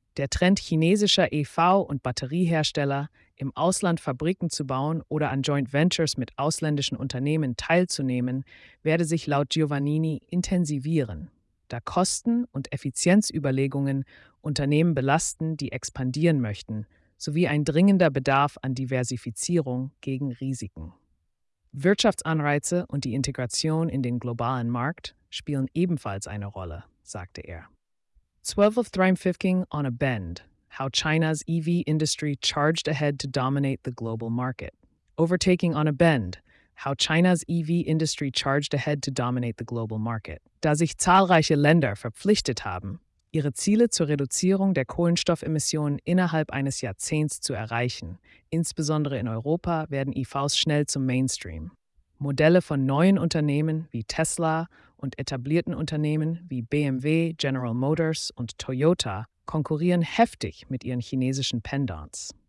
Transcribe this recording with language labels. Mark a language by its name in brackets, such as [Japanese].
[German] Der Trend chinesischer EV- und Batteriehersteller, im Ausland Fabriken zu bauen oder an Joint Ventures mit ausländischen Unternehmen teilzunehmen, werde sich laut Giovannini intensivieren, da Kosten- und Effizienzüberlegungen Unternehmen belasten, die expandieren möchten, sowie ein dringender Bedarf an Diversifizierung gegen Risiken. Wirtschaftsanreize und die Integration in den globalen Markt spielen ebenfalls eine Rolle, sagte er. [English] 12 of Thrymfylking on a Bend: How China's EV Industry Charged Ahead to Dominate the Global Market. Overtaking on a Bend: How China's EV Industry Charged Ahead to Dominate the Global Market. [German] Da sich zahlreiche Länder verpflichtet haben, ihre Ziele zur Reduzierung der Kohlenstoffemissionen innerhalb eines Jahrzehnts zu erreichen, insbesondere in Europa, werden EVs schnell zum Mainstream. Modelle von neuen Unternehmen wie Tesla und etablierten Unternehmen wie BMW, General Motors und Toyota konkurrieren heftig mit ihren chinesischen Pendants.